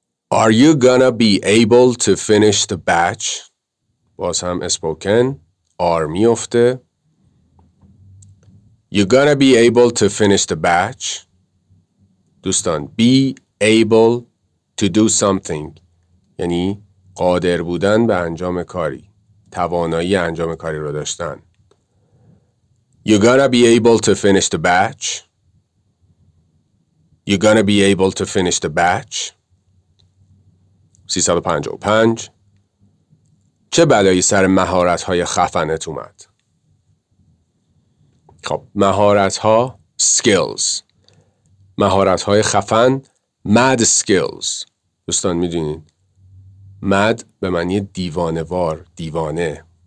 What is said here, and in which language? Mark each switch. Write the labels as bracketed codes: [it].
[en] Are you gonna be able to finish the batch? [fa] باز هم spoken. Are میفته. [en] You gonna be able to finish the batch? [fa] دوستان [en] be able to do something [fa] یعنی قادر بودن به انجام کاری، توانایی انجام کاری رو داشتن. [en] You gonna be able to finish the batch? You gonna be able to finish the batch? 355. [fa] چه بلایی سر مهارت‌های خفنت اومد؟ خب مهارت‌ها skills، مهارت‌های خفن mad skills. دوستان می‌دونید mad به معنی دیوانه‌وار، دیوانه.